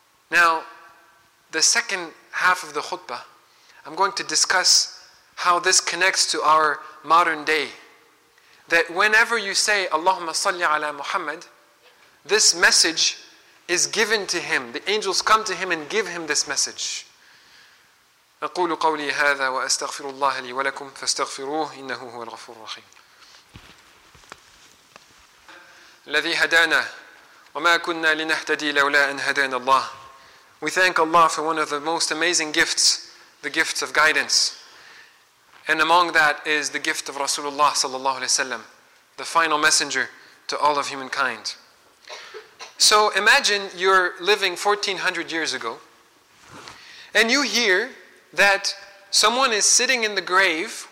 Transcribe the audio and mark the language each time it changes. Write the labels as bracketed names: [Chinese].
[English] Now, the second half of the khutbah, I'm going to discuss how this connects to our modern day. That whenever you say Allahumma salli ala Muhammad, this message is given to him. The angels come to him and give him this message. [Arabic] أقول قولي هذا وأستغفر الله لي ولكم فاستغفروه إنه هو الغفور الرحيم. الذي هدانا وما كنا لنهتدي لولا أن هدانا الله. [English] We thank Allah for one of the most amazing gifts, the gifts of guidance. And among that is the gift of Rasulullah sallallahu alaihi wasallam, the final messenger to all of humankind. So imagine you're living 1400 years ago, and you hear that someone is sitting in the grave.